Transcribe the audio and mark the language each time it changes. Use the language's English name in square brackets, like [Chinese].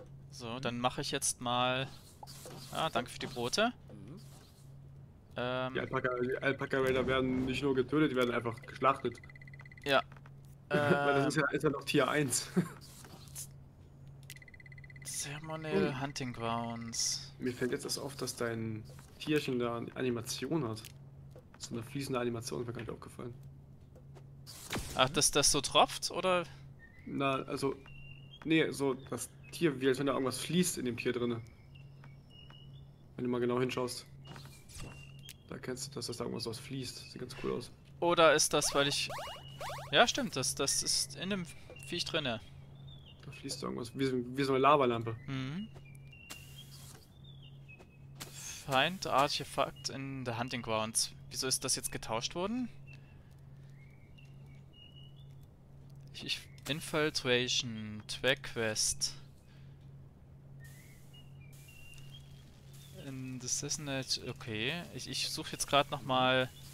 [German] So, dann mache ich jetzt mal. Ah, danke für die Brote. Die Alpaca Raider werden nicht nur getötet, die werden einfach geschlachtet. Ja. Weil das ist ja noch Tier 1. Ceremonial Hunting Grounds. Mir fällt jetzt erst auf, dass dein Tierchen da eine Animation hat. So eine fließende Animation, ist mir gar nicht aufgefallen. Ach, dass das so tropft, oder? Na, also. Nee, so das Tier, wie als wenn da irgendwas fließt in dem Tier drin. Wenn du mal genau hinschaust. Da kennst du, dass das da irgendwas aus fließt. Sieht ganz cool aus. Oder ist das, weil ich. Ja, stimmt, das ist in dem Viech drinne. Da fließt irgendwas. Wie so eine Lavalampe. Mhm. [English] Find Artifact in the Hunting Grounds. [German] Wieso ist das jetzt getauscht worden? [English] Infiltration. Track Quest. [German] Das ist nicht okay. Ich suche jetzt gerade nochmal.